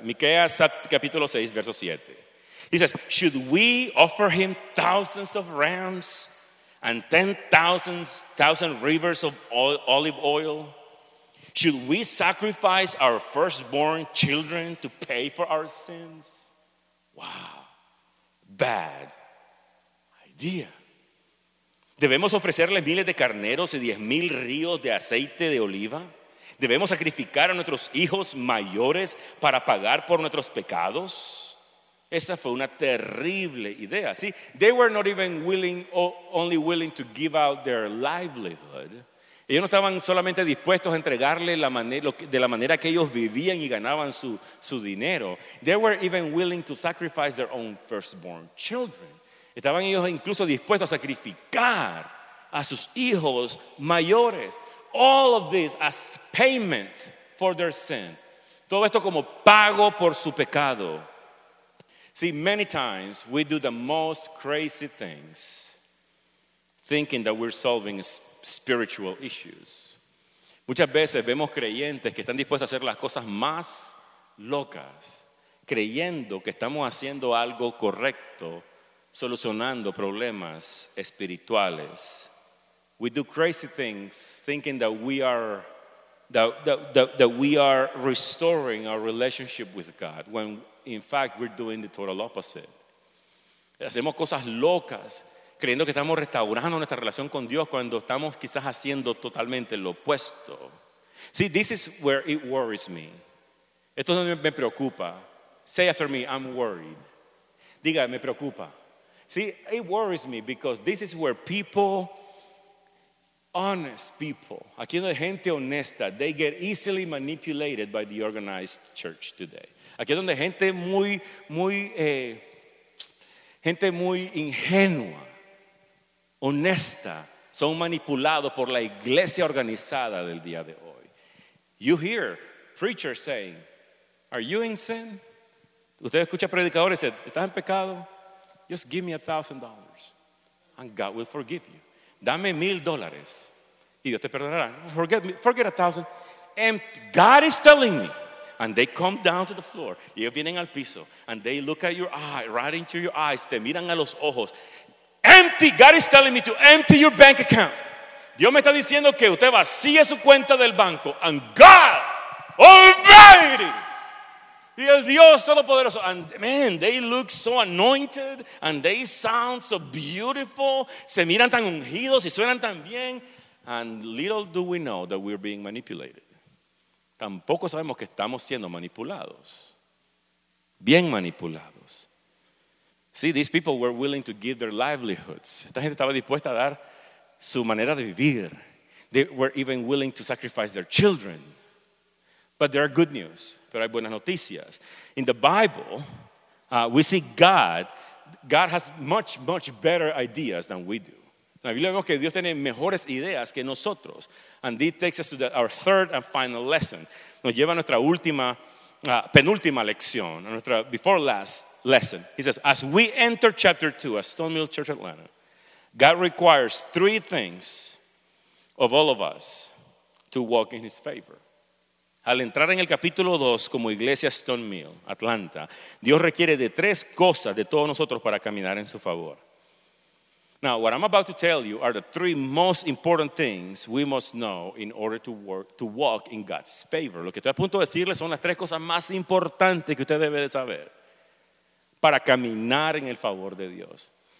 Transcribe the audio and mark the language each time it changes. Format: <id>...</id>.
<es>Miqueas capítulo 6, verso 7.</es> <en>He says, should we offer him thousands of rams and 10,000 rivers of olive oil? Should we sacrifice our firstborn children to pay for our sins? Wow, bad idea.</en> <es>¿Debemos ofrecerle miles de carneros y 10,000 ríos de aceite de oliva? ¿Debemos sacrificar a nuestros hijos mayores para pagar por nuestros pecados? Esa fue una terrible idea.</es> <en>See, they were not even willing, only willing to give out their livelihood.</en> <es>Ellos no estaban solamente dispuestos a entregarle de la manera que ellos vivían y ganaban su dinero.</es> <en>They were even willing to sacrifice their own firstborn children.</en> <es>Estaban ellos incluso dispuestos a sacrificar a sus hijos mayores.</es> <en>All of this as payment for their sin.</en> <es>Todo esto como pago por su pecado.</es> <en>See, many times we do the most crazy things thinking that we're solving spiritual issues.</en> <es>Muchas veces vemos creyentes que están dispuestos a hacer las cosas más locas creyendo que estamos haciendo algo correcto, solucionando problemas espirituales.</es> <en>We do crazy things thinking that we are restoring our relationship with God when in fact, we're doing the total opposite.</en> <es>Hacemos cosas locas, creyendo que estamos restaurando nuestra relación con Dios cuando estamos quizás haciendo totalmente lo opuesto.</es> <en>See, this is where it worries me.</en> <es>Esto es donde me preocupa.</es> <en>Say after me, I'm worried.</en> <es>Diga, me preocupa.</es> <en>See, it worries me because this is where honest people,</en> <es>aquí donde gente honesta,</es> <en>they get easily manipulated by the organized church today.</en> <es>Aquí es donde gente muy ingenua, honesta, son manipulados por la iglesia organizada del día de hoy.</es> <en>You hear preachers saying, are you in sin?</en> <es>Usted escucha predicadores y dice, ¿estás en pecado?</es> <en>Just give me $1,000 and God will forgive you.</en> <es>Dame $1,000 y Dios te perdonará.</es> <en>Forget $1,000. And God is telling me. And they come down to the floor.</en> <es>Y ellos vienen al piso.</es> <en>And they look at your eye, right into your eyes.</en> <es>Te miran a los ojos.</es> <en>Empty. God is telling me to empty your bank account.</en> <es>Dios me está diciendo que usted vacíe su cuenta del banco.</es> <en>And God Almighty.</en> <es>Y el Dios Todopoderoso.</es> <en>And man, they look so anointed. And they sound so beautiful.</en> <es>Se miran tan ungidos y suenan tan bien.</es> <en>And little do we know that we're being manipulated.</en> <es>tampoco sabemos que estamos siendo manipulados. Bien manipulados.</es> <en>See, these people were willing to give their livelihoods.</en> <es>Esta gente estaba dispuesta a dar su manera de vivir.</es> <en>They were even willing to sacrifice their children. But there are good news.</en> <es>Pero hay buenas noticias.</es> <en>In the Bible, we see God has much, much better ideas than we do.</en> <es>En la Biblia vemos que Dios tiene mejores ideas que nosotros.</es> <en>And this takes us to our third and final lesson.</en> <es>Nos lleva a nuestra última, penúltima lección, a nuestra</es> <en>before last lesson. He says, as we enter chapter 2 at Stone Mill Church Atlanta, God requires three things of all of us to walk in his favor.</en> <es>Al entrar en el capítulo 2 como iglesia Stone Mill, Atlanta, Dios requiere de tres cosas de todos nosotros para caminar en su favor.</es> <en>Now, what I'm about to tell you are the three most important things we must know in order to walk in God's favor.</en> <es>Lo que estoy a punto de decirles son las tres cosas más importantes que usted debe de saber para caminar en el favor de Dios.</es>